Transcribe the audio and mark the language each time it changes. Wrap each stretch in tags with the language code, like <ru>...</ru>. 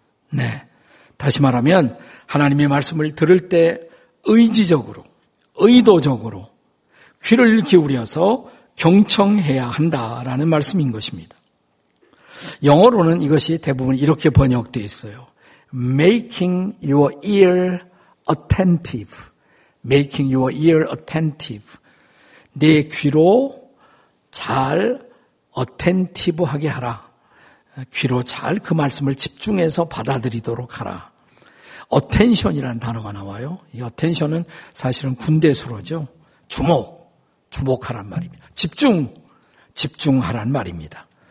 <ko>네, 다시 말하면 하나님의 말씀을 들을 때 의지적으로, 의도적으로 귀를 기울여서 경청해야 한다라는 말씀인 것입니다. 영어로는 이것이 대부분 이렇게 번역되어 있어요.</ko> <en>Making your ear attentive. Making your ear attentive.</en> <ko>내 귀로 잘 attentive하게 하라. 귀로 잘 그 말씀을 집중해서 받아들이도록 하라. Attention이라는 단어가 나와요. 이 attention은 사실은 군대수로죠. 주목, 주목하란 말입니다. 집중, 집중하란 말입니다.</ko>